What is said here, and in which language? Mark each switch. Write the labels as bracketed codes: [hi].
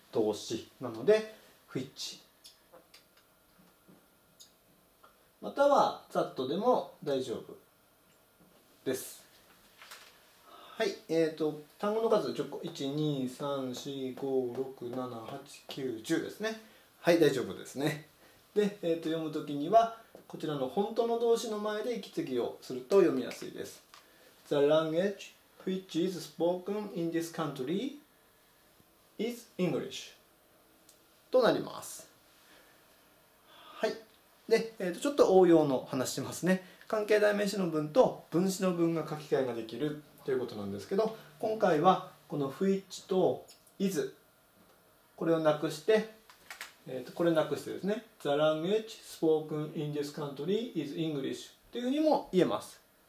[ja] 動詞なので不一致、またはざっとでも大丈夫です。はい、単語の数10個、1,2,3,4,5,6,7,8,9,10 ですね。はい、大丈夫ですね。で、読むときにはこちらの本当の動詞の前で息継ぎをすると読みやすいです。 [en] The language which is spoken in this country is English [ja] となります。はい、で、ちょっと応用の話しますね。関係代名詞の文と分詞の文が書き換えができるということなんですけど、今回はこの which と is、 これをなくして、これなくしてですね、 [en] The language spoken in this country is English [ja] っていうふうにも言えます。